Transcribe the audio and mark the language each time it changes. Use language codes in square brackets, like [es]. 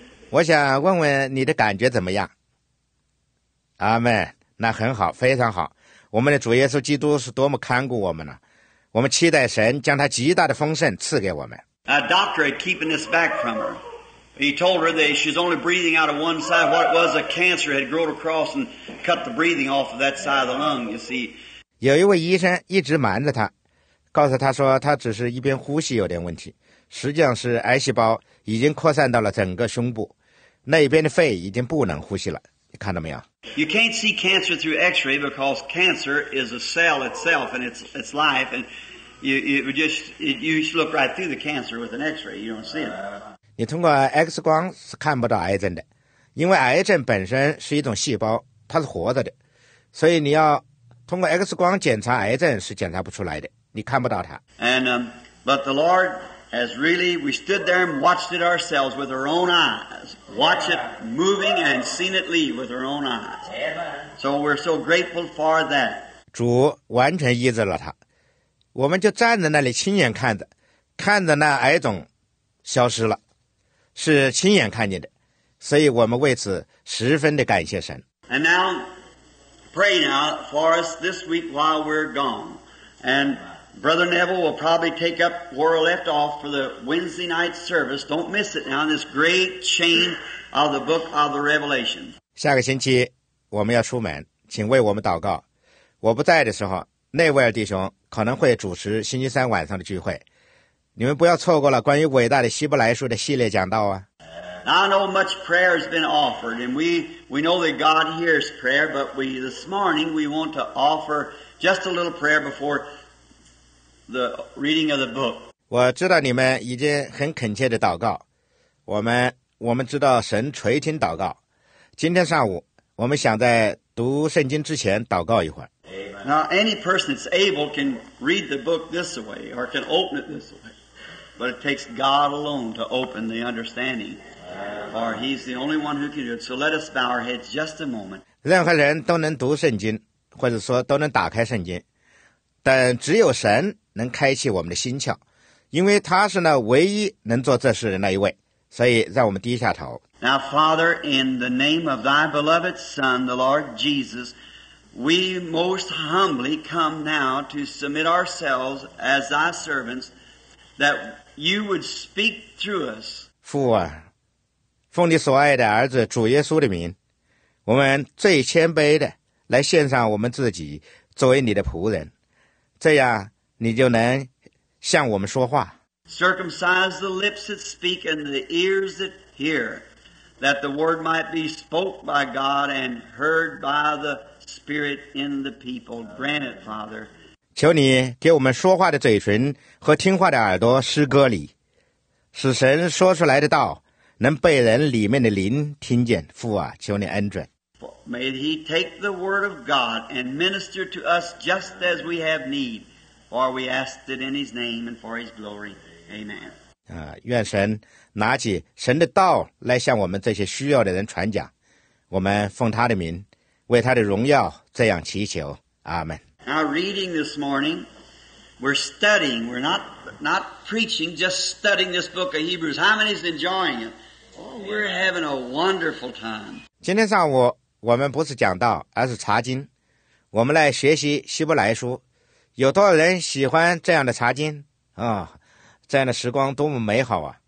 [zh] 我想问问你的感觉怎么样？阿门。那很好，非常好。我们的主耶稣基督是多么看顾我们呢？我们期待神将他极大的丰盛赐给我们。 [en] A doctor is keeping this back from her. He told her that she's only breathing out of one side. What it was, a cancer had grown across and cut the breathing off of that side of the lung, you see. [zh] 有一位医生一直瞒着她，告诉她说她只是一边呼吸有点问题，实际上是癌细胞已经扩散到了整个胸部，那一边的肺已经不能呼吸了。你看到没有？ [en] You can't see cancer through x-ray because cancer is a cell itself and it's life. And you just look right through the cancer with an x-ray. You don't see it. [zh] 你通过 X 光是看不到癌症的，因为癌症本身是一种细胞，它是活着的，所以你要通过 X 光检查癌症是检查不出来的，你看不到它。 [en] And, but the Lord has really, we stood there and watched it ourselves with our own eyes, watch it moving and seen it leave with our own eyes. So we're so grateful for that. [zh] 主完全医治了它，我们就站在那里亲眼看着那癌肿消失了。是亲眼看见的，所以我们为此十分的感谢神。 [en] And now, pray now for us this week while we're gone. And Brother Neville will probably take up where we left off for the Wednesday night service. Don't miss it now, this great chain of the book of the Revelation. [zh] 下个星期我们要出门，请为我们祷告。我不在的时候，内维尔弟兄可能会主持星期三晚上的聚会。你们不要错过了关于伟大的希伯来书的系列讲道啊。 [en] I know much prayer has been offered, and we know that God hears prayer, but we, this morning, we want to offer just a little prayer before the reading of the book. [zh] 我知道你们已经很恳切的祷告，我们知道神垂听祷告。今天上午，我们想在读圣经之前祷告一会儿。 [en] Now any person that's able can read the book this way or can open it this way, but it takes God alone to open the understanding, or He's the only one who can do it. So let us bow our heads just a moment. [zh] 任何人都能读圣经，或者说都能打开圣经，但只有神能开启我们的心窍。因为他是那唯一能做这事的那一位，所以让我们低下头。 [en] Now, Father, in the name of Thy beloved Son, the Lord Jesus, we most humbly come now to submit ourselves as Thy servants, that You would speak through us. [zh] 父啊，奉你所爱的儿子主耶稣的名，我们最谦卑的来献上我们自己，作为你的仆人，这样你就能。向我们说话。 [en] Circumcise the lips that speak and the ears that hear, that the word might be spoke by God and heard by the Spirit in the people. Grant it, Father. [zh] 求你给我们说话的嘴唇和听话的耳朵施割礼，使神说出来的道能被人里面的灵听见。父啊，求你恩准。 [en] May He take the word of God and minister to us just as we have need. For we asked it in His name and for His glory. Amen. [zh] 愿神拿起神的道来向我们这些需要的人传讲。我们奉他的名，为他的荣耀这样祈求。阿们。 [en] Now reading this morning, we're studying. We're not preaching, just studying this book of Hebrews. How many is enjoying it? Oh, we're having a wonderful time. [zh] 今天上午我们不是讲道，而是查经。我们来学习希伯来书。有多少人喜欢这样的查经啊、这样的时光多么美好啊。